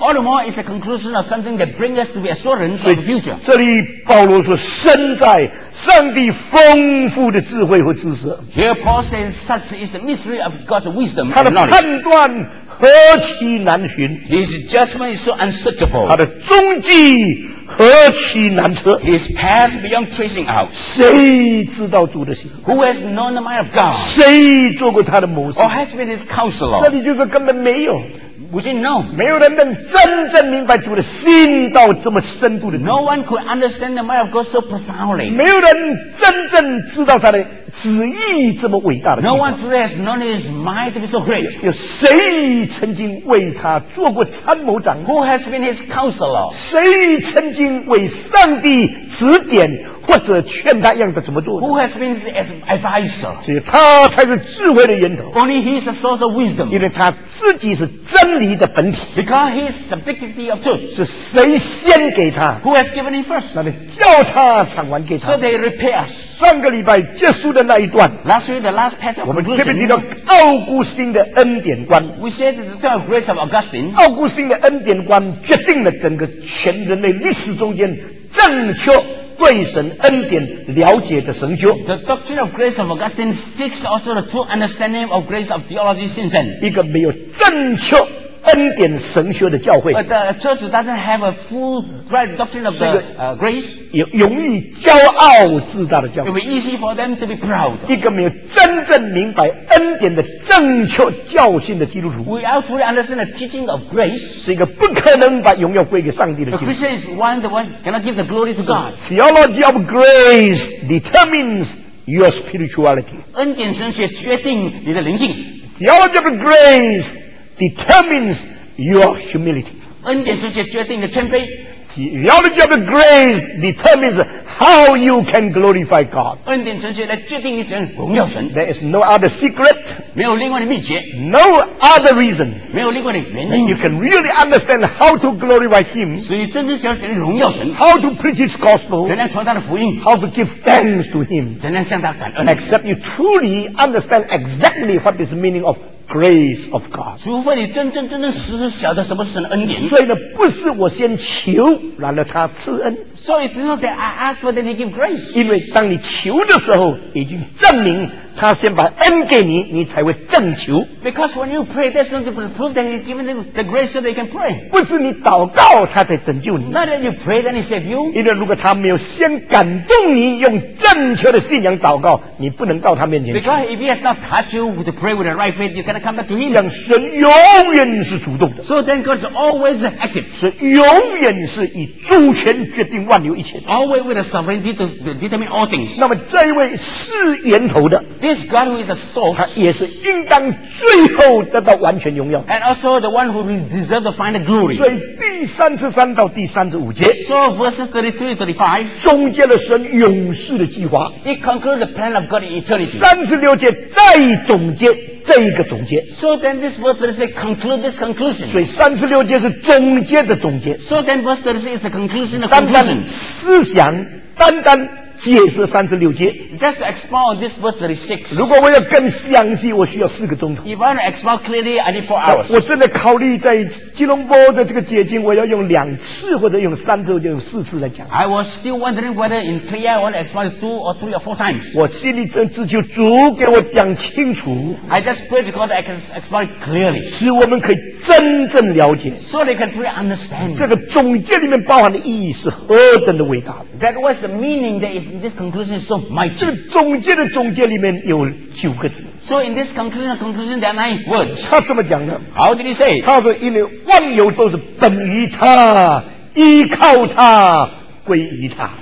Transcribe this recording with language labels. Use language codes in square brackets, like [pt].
[en] All the more is the conclusion of something that brings us to be assurance of the future [zh] 这里保罗说身在上帝丰富的智慧和知识 [en] Here Paul says such is the mystery of God's wisdom [zh] 他的判断何其难寻 [en] His judgment is so unsearchable [zh] 他的踪迹何其难测 [en] His path beyond tracing out [zh] 谁知道主的心 [en] Who has known the mind of God [zh] 谁做过他的谋士 [en] Or has been his counselor [zh] 这里就是根本没有 [en] We say no. [zh] 没有人能真正明白主的心到这么深度的。 [en] No one could understand the mind of God so profoundly. [zh] 没有人真正知道他的旨意这么伟大的。 [en] No one truly has known his mind to be so great. [zh] 有谁曾经为他做过参谋长？ [en] Who has been his counselor? [zh] 谁曾经为上帝指点？或者劝他样子怎么做 [en] ？Who has been as advisor？ [zh] 所以他才是智慧的源头。 [en] Only he is the source of wisdom。 [zh] 因为他自己是真理的本体。 [en] Because he is the dignity of truth。 [zh] 是谁先给他 [en] ？Who has given him first？ [zh] 那你叫他偿还给他。 [en] So they repay us。 [zh] 上个礼拜结束的那一段 [en] ，Last week the last passage， [zh] 我们特别提到奥古斯丁的恩典观。 [en] We said the term grace of Augustine。 [zh] 奥古斯丁的恩典观决定了整个全人类历史中间正确。对神恩典了解的神学 [en] The doctrine of grace of Augustine fixed also the true understanding of grace of theology since then [zh] 一个没有正确恩典神学的教会 [en] But the church doesn't have a full right doctrine of the grace [zh] 容易骄傲自大的教会 [en] It will be easy for them to be proud [zh] 一个没有真正明白恩典的正确教训的基督徒 [en] Without fully understand the teaching of grace [zh] 是一个不可能把荣耀归给上帝的基督徒 [en] The Christian is one the one cannot give the glory to God Theology of grace determines your spirituality [zh] 恩典神学决定你的灵性 [en] Theology of graceDetermines your humility. [zh] 恩典神学决定了谦卑。 [en] Theology of grace determines how you can glorify God. [zh] 恩典神学来决定你怎样荣耀神。 [en] There is no other secret. [zh] 没有另外的秘诀。 [en] No other reason. [zh] 没有另外的原因。 [en] And you can really understand how to glorify Him. [zh] 所以真正想怎样荣耀神。 [en] How to preach His gospel. [zh] 怎样传他的福音。 [en] How to give thanks to Him. [zh] 怎样向他感恩。 [en] Except you truly understand exactly what is the meaning of. Grace of God. [zh] 除非你真真真真实实晓得什么是神的恩典。所以呢，不是我先求，然后他赐恩。 [en] So it's not that I ask for that he give grace. [zh] 因为当你求的时候，已经证明他先把恩给你，你才会正求。 [en] Because when you pray, that's not the proof that he's given the grace so they can pray. [zh] 不是你祷告他才拯救你。 [en] Not that you pray, then he save you. [zh] 因为如果他没有先感动你，用正确的信仰祷告，你不能到他面前。 [en] Because if he has not touched you to pray with the right faith, you cannot come back to him. [zh] 像神永远是主动的。 [en] So then God is always active. [zh] 神永远是以主权决定万有一切。 [en] Always with the sovereignty to determine all things. [zh] 那么这一位是源头的。 [en] This God who is a source, [zh] 他也是应当最后得到完全荣耀。 [en] And also the one who deserves the final glory. [zh] 所以第三十三到第三十五节。 [en] So verses 33 to 35. [zh] 终结了神永世的计划。 [en] It concludes the plan of God in eternity. [zh] 三十六节再总结这一个总结。 [en] So then this verse 33 conclude this conclusion. [zh] 所以三十六节是总结的总结。 [en] So then verse 33 is the conclusion of conclusion. [zh] 单单思想，单单。解释三十六节。 [en] Just to expound on this verse 36. [zh] 如果我要更详细，我需要四个钟头。 [en] If I want to expound clearly, I need 4 hours. [zh] 我正在考虑在吉隆坡的这个解经，我要用两次或者用三次或者用四次来讲。 [en] I was still wondering whether in three hours I want to expound two or three or four times. [zh] 我心里正祈求主给我讲清楚。 [en] I just pray to God that I can expound clearly. [zh] 使我们可以真正了解。 [en] So they can truly understand. [zh] 这个总结里面包含的意义是何等的伟大。 [en] That was the meaning that is. This conclusion is so mighty. [zh] 这个总结的总结里面有九个字。 [en] So in this conclusion, there are 9 words. [zh] 他这么讲的。 [en] How did he say? [zh] 他说因为万有都是本于他，依靠他，归于他。